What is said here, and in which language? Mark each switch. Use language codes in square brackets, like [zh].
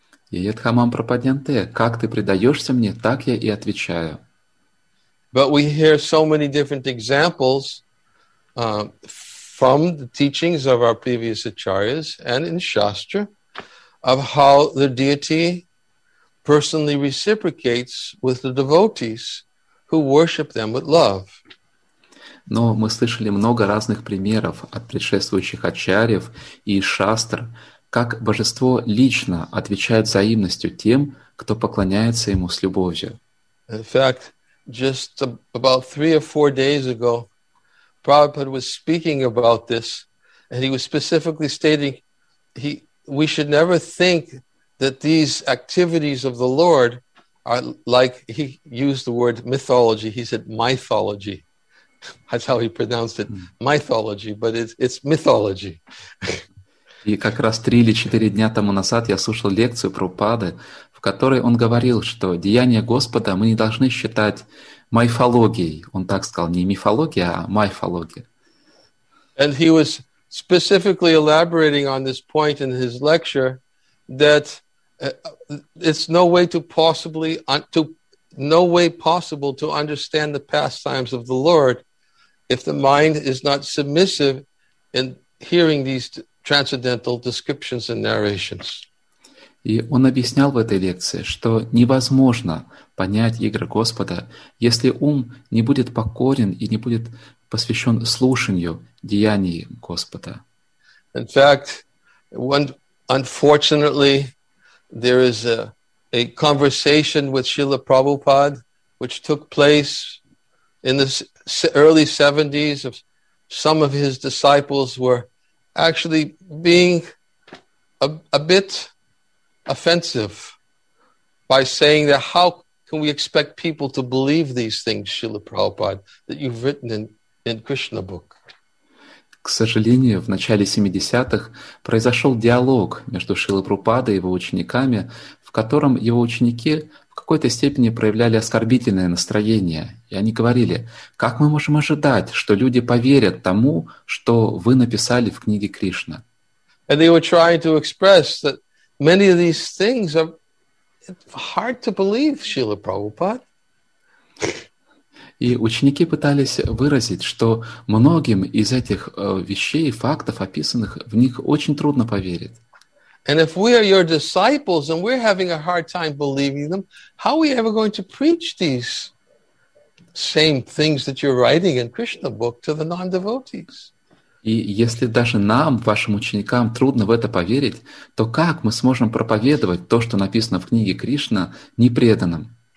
[sa] Яетхамам пропаденте, [ru] как ты предаешься мне, так я и отвечаю. [en] But we hear so many different examples from the teachings of our previous acharyas and in Shastra of how the deity personally reciprocates with the devotees who worship them with love. [ru] Но мы слышали много разных примеров от предшествующих ачарьев и шастр, как божество лично отвечает взаимностью тем, кто поклоняется ему с любовью. [en] In fact, just about 3 or 4 days ago, Prabhupada was speaking about this, and he was specifically stating, we should never think that these activities of the Lord are like, he used the word mythology, he said mythology. That's how he pronounced it, mythology, but it's mythology. [ru] И как раз 3 или 4 дня тому назад я слушал лекцию Прабхупады, в которой он говорил, что деяния Господа мы не должны считать мифологией. Он так сказал, не мифология, а мифология. [en] And he was specifically elaborating on this point in his lecture that it's no way possible to understand the pastimes of the Lord if the mind is not submissive in hearing these transcendental descriptions and narrations. [ru] И он объяснял в этой лекции, что невозможно понять игры Господа, если ум не будет покорен и не будет посвящен слушанию деяний Господа. [en] In fact, unfortunately, there is a conversation with Srila Prabhupada, which took place in the early 70s, of some of his disciples were actually being a bit offensive by saying that how can we expect people to believe these things, Srila Prabhupada, that you've written in Krishna book. [ru] К сожалению, в начале 70-х произошел диалог между Шрилой Прабхупадой и его учениками, в котором его ученики в какой-то степени проявляли оскорбительное настроение. И они говорили, как мы можем ожидать, что люди поверят тому, что вы написали в книге Кришна? [en] And they were trying to express that many of these things are hard to believe, Srila Prabhupada. [ru] И ученики пытались выразить, что многим из этих вещей и фактов, описанных, в них очень трудно поверить. [en] And if we are your disciples and we're having a hard time believing them, how are we ever going to preach these same things that you're writing in Krishna book to the non-devotees? [ru] И если даже нам, вашим ученикам, трудно в это поверить, то как мы сможем проповедовать то, что написано в книге Кришна, непреданным?